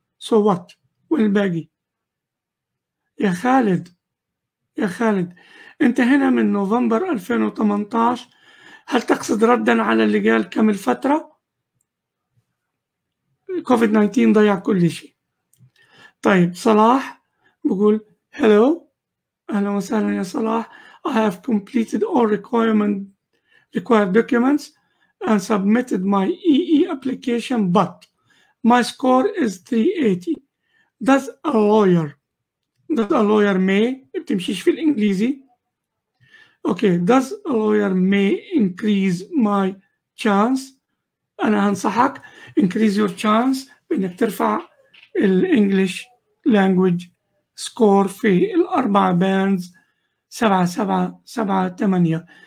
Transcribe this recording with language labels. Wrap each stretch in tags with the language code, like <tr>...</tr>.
<en>So what؟</en> <ar>والباقي يا خالد، يا خالد انت هنا من نوفمبر 2018، هل تقصد ردا على اللي قال كم الفترة؟ كوفيد 19 ضيع كل شيء. طيب، صلاح بقول hello، أهلا وسهلا يا صلاح.</ar> <en>I have completed all required documents and submitted my EE application, but my score is 380. Does a lawyer may،</en> <ar>بتمشيش في الإنجليزي.</ar> <en>Okay, does a lawyer may increase my chance؟</en> <ar>أنا هنصحك</ar> <en>increase your chance</en> <ar>بأنك ترفع الـ</ar> <en>English language score</en> <ar>في الأربع</ar> <en>bands 7 7 7 8.</en>